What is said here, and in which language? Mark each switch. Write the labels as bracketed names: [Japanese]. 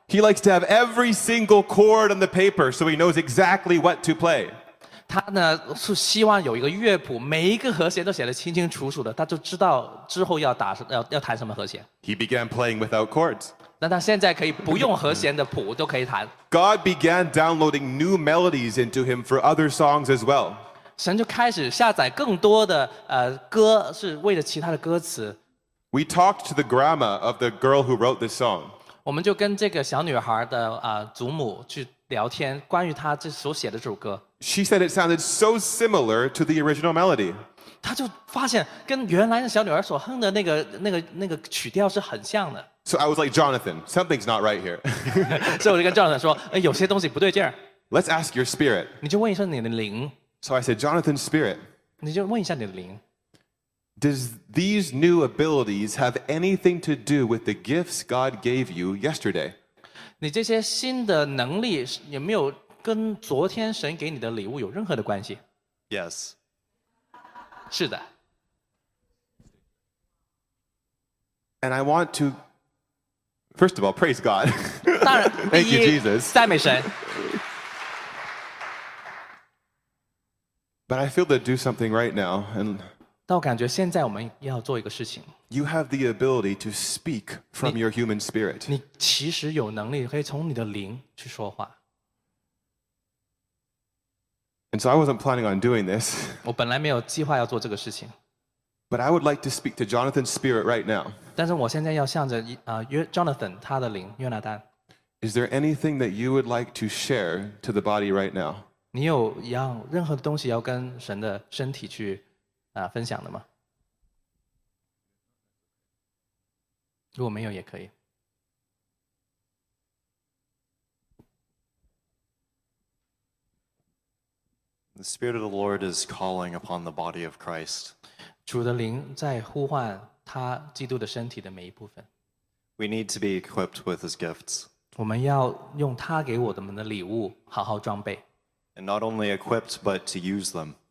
[English] He likes to have every single chord on the paper, so he knows exactly what to play. [Chinese] 他呢是希望有一个乐谱，每一个和弦都写得清清楚楚的，他就知道之后要弹什么和弦。 [English] He began playing without chords. [Chinese] 那他现在可以不用和弦的谱都可以弹。 [English] God began downloading new melodies into him for other songs as well. [Chinese] 神就开始下载更多的歌，是为了其他的歌词。 [English] We talked to the grandma of the girl who wrote this song. [Chinese] 我们就跟这个小女孩的祖母去聊天，关于她这所写的这首歌。 [English] She said it sounded so similar to the original melody. [Chinese] 她就发现跟原来的小女孩所哼的那个曲调是很像的。 [English] So I was like, Jonathan, something's not right here. [Chinese] 所以我就跟 Jonathan 说，哎，有些东西不对劲儿。 [English] Let's ask your spirit. [Chinese] 你就问一下你的灵。 [English] So I said, Jonathan's spirit. [Chinese] 你就问一下你的灵。 [English] Does these new abilities have anything to do with the gifts God gave you yesterday? [Chinese] 你这些新的能力有没有跟昨天神给你的礼物有任何的关系？ [English] Yes. [Chinese] 是的。 [English] And I want to, first of all, praise God. [Chinese] 当然， [English] Thank you, Jesus. [Chinese] 赞美神。 [English] But I feel to do something right now and... [Chinese] 但我感觉现在我们要做一个事情。 [English] You have the ability to speak from your human spirit. [Chinese] 你其实有能力可以从你的灵去说话。 [English] And so I wasn't planning on doing this. [Chinese] 我本来没有计划要做这个事情。 [English] But I would like to speak to Jonathan's spirit right now. [Chinese] 但是我现在要向着Jonathan 他的灵约拿丹。 [English] Is there anything that you would like to share to the body right now? [Chinese] 你有要任何的东西要跟神的身体去？分享的吗？如果没有也可以。 [English] The Spirit of the Lord is calling upon the body of Christ. [Chinese] 主的灵在呼唤他基督的身体的每一部分。 [English] We need to be equipped with his gifts. [Chinese] 我们要用他给我们的礼物好好装备。 [English] And not only equipped, but to use them.